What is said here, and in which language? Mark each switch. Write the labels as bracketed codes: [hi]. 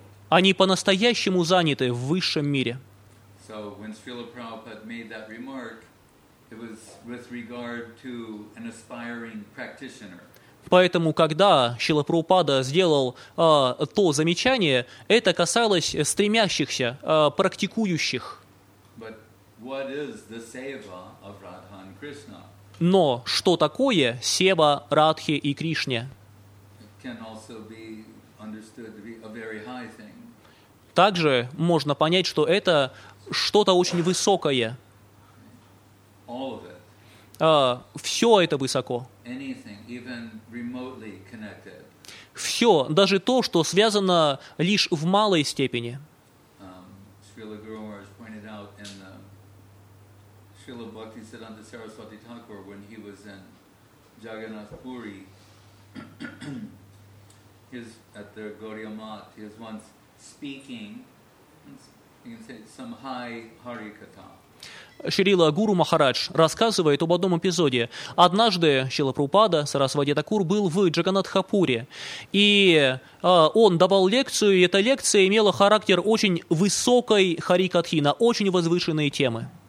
[ru] Они по-настоящему заняты в высшем мире. [en] So when Srila Prabhupada made that remark, it was with regard to an aspiring practitioner. [ru] Поэтому, когда Шрила Прабхупада сделал то замечание, это касалось стремящихся, практикующих. [en] But what is the seva of Radha and Krishna? [ru] Но что такое сева Радхи и Кришне? [en] It can also be understood to be a very high thing. [ru] Также можно понять, что это что-то очень высокое. [en] All of it. [ru] Все это высоко. [en] Anything, even remotely connected. [ru] Все, даже то, что связано лишь в малой степени. [en] Srila Guru Maharaj pointed out in the Srila Bhakti Siddhanta Saraswati Thakur when he was in Jagannath Puri, his at the Gaudiya Math, he was once speaking, you can say some high Harikatha. [ru] Шрила Гуру Махарадж рассказывает об одном эпизоде. Однажды Шрила Прабхупада Сарасвати Такур был в Джаганатхапуре, и он давал лекцию, и эта лекция имела характер очень высокой харикатхи на очень возвышенные темы.